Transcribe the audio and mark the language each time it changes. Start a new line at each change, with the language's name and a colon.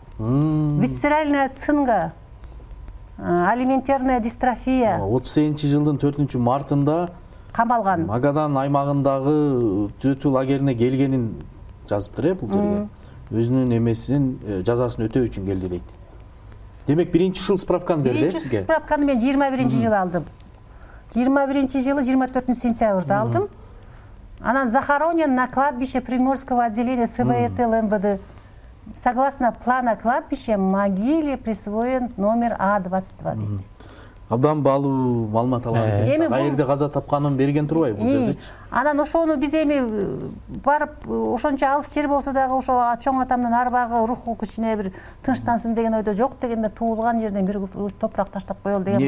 Russian: Висцеральная цинга, алиментарная дистрофия.
Kyrgyz: 38 жылдын 4 мартында камалган Магадан аймагындагы түзөтүү лагерине келгенин жазыптыр э бул жерге. Өзүнүн эмесин жазасын өтөө үчүн келди дейт. Демек биринчи ушул справканы берди э сизге. Справканы мен 21 жылы алдым. 21 жылы 24 сентябрда алдым. Анан
Russian: захоронен на кладбище Приморского отделения СВТЛ МВД. Согласно плана кладбища могиле присвоен номер А22
Kyrgyz: дейт. Абдан баалуу маалымат алган экенсиз. Кайерде каза тапканын берген турбайбы бул жерде? Анан ошону биз эми барып ошончо алыс жер болсо дагы ошо чоң атамдын арбагы руху кичине бир тынчтансын деген ойдо жок дегенде туулган жерден бир топурак таштап коелу деген